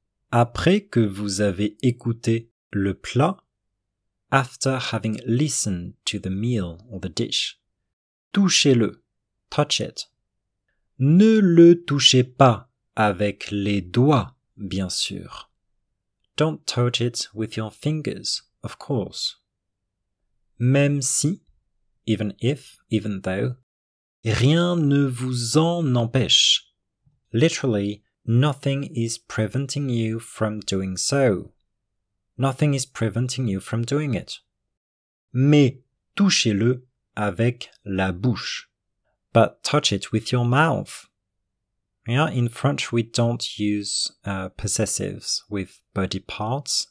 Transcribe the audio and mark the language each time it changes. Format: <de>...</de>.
<fr>Après que vous avez écouté le plat,</fr> <en>after having listened to the meal or the dish,</en> <fr>touchez-le,</fr> <en>touch it.</en> <fr>Ne le touchez pas avec les doigts, bien sûr.</fr> <en>Don't touch it with your fingers, of course.</en> <fr>Même si,</fr> <en>even if, even though,</en> <fr>rien ne vous en empêche.</fr> <en>Literally, nothing is preventing you from doing so. Nothing is preventing you from doing it.</en> <fr>Mais touchez-le avec la bouche.</fr> <en>But touch it with your mouth. Yeah, in French, we don't use possessives with body parts.</en>